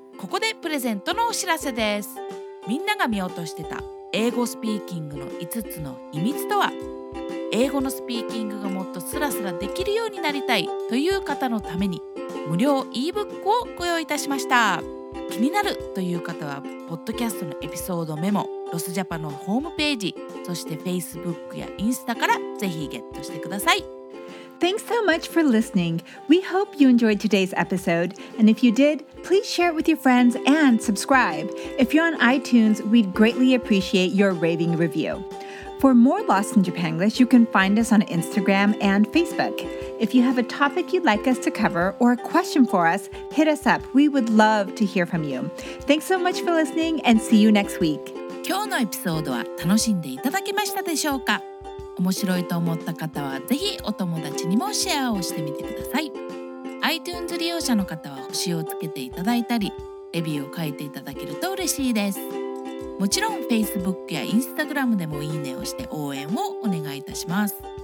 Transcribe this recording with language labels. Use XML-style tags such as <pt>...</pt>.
<ja>ここでプレゼントのお知らせです。みんなが見落としてた英語スピーキングの5つの秘密とは、英語のスピーキングがもっとスラスラできるようになりたいという方のために無料 ebook をご用意いたしました。気になるという方はポッドキャストのエピソードメモ、ロスジャパのホームページ、そして Facebook やインスタからぜひゲットしてください。</ja> <en>Thanks so much for listening. We hope you enjoyed today's episode. And if you did, please share it with your friends and subscribe. If you're on iTunes, we'd greatly appreciate your raving review. For more Lost in Japanglish, you can find us on Instagram and Facebook. If you have a topic you'd like us to cover or a question for us, hit us up. We would love to hear from you. Thanks so much for listening and see you next week.</en> <ja>今日のエピソードは楽しんでいただけましたでしょうか。面白いと思った方はぜひお友達にもシェアをしてみてください。 iTunes 利用者の方は星をつけていただいたりレビューを書いていただけると嬉しいです。もちろん Facebook や Instagram でもいいねをして応援をお願いいたします。</ja>